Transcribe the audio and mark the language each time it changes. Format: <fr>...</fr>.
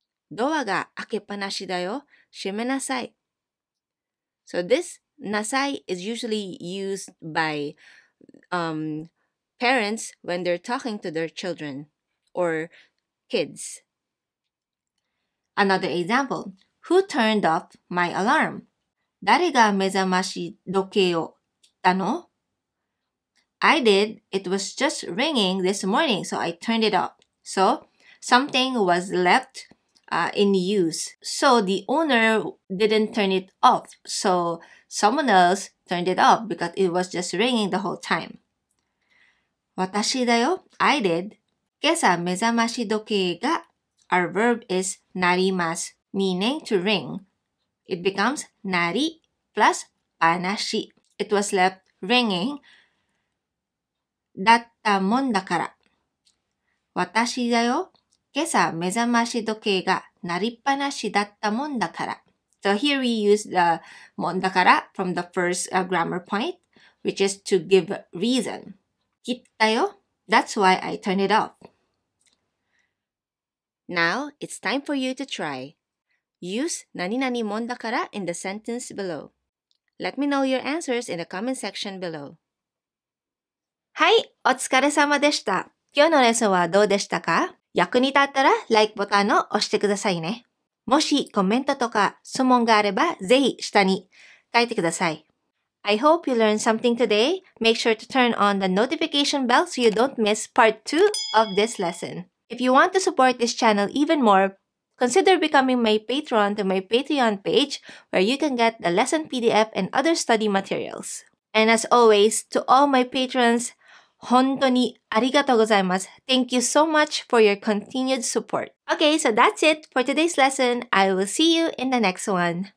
<ja>ドアが開けっぱなしだよ。閉めなさい。</ja> <en>So this</en> <ja>なさい</ja> <en>is usually used by parents when they're talking to their children or kids. Another example. Who turned off my alarm?</en> <ja>誰が目覚まし時計を切ったの?</ja> <en>I did. It was just ringing this morning, so I turned it off. So, something was left, in use. So, the owner didn't turn it off. So, someone else turned it off because it was just ringing the whole time.</en> <ja>私だよ。</ja> <en>I did.</en> <ja>今朝目覚まし時計が</ja> <en>Our verb is</en> <ja>なります</ja> <en>meaning to ring. It becomes</en> <ja>なり</ja> <en>plus</en> <ja>ぱなし</ja> <en>It was left ringing.</en> <ja>だったもんだから。私だよ。今朝目覚まし時計が鳴りっぱなしだったもんだから。</ja> <en>So here we use the</en> <ja>もんだから</ja> <en>from the first grammar point, which is to give reason.</en> <ja>切ったよ。</ja> <en>That's why I turned it off. Now it's time for you to try. Use</en> <ja>何々もんだから</ja> <en>in the sentence below. Let me know your answers in the comment section below.</en> <ja>はい、お疲れ様でした。今日のレッスンはどうでしたか？役に立ったら、LIKE ボタンを押してくださいね。もしコメントとか質問があれば、ぜひ下に書いてください。</ja> <en>I hope you learned something today. Make sure to turn on the notification bell so you don't miss part 2 of this lesson. If you want to support this channel even more, consider becoming my patron to my Patreon page where you can get the lesson PDF and other study materials. And as always, to all my patrons,</en> <ja>本当にありがとうございます。</ja> <en>Thank you so much for your continued support. Okay, so that's it for today's lesson. I will see you in the next one.</en>